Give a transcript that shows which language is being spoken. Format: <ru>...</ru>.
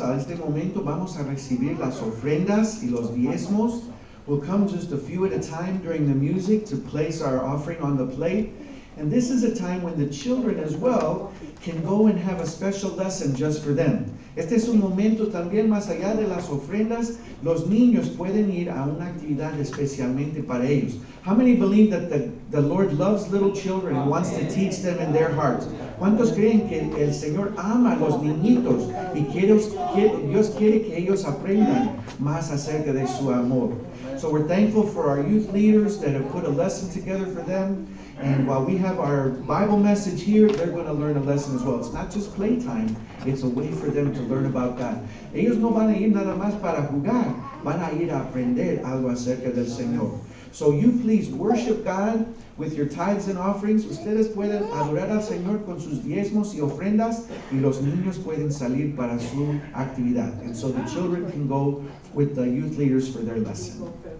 <es>A este momento vamos a recibir las ofrendas y los diezmos.</es> <en>We'll come just a few at a time during the music to place our offering on the plate. And this is a time when the children as well can go and have a special lesson just for them.</en> <es>Este es un momento también más allá de las ofrendas. Los niños pueden ir a una actividad especialmente para ellos.</es> <en>How many believe that the Lord loves little children and wants to teach them in their hearts?</en> <es>¿Cuántos creen que el Señor ama a los niñitos y que Dios quiere que ellos aprendan más acerca de su amor?</es> <en>So we're thankful for our youth leaders that have put a lesson together for them. And while we have our Bible message here, they're going to learn a lesson as well. It's not just playtime. It's a way for them to learn about God.</en> <es>Ellos no van a ir nada más para jugar. Van a ir a aprender algo acerca del Señor.</es> <en>So you please worship God with your tithes and offerings.</en> <es>Ustedes pueden adorar al Señor con sus diezmos y ofrendas. Y los niños pueden salir para su actividad.</es> <en>And so the children can go with the youth leaders for their lesson.</en>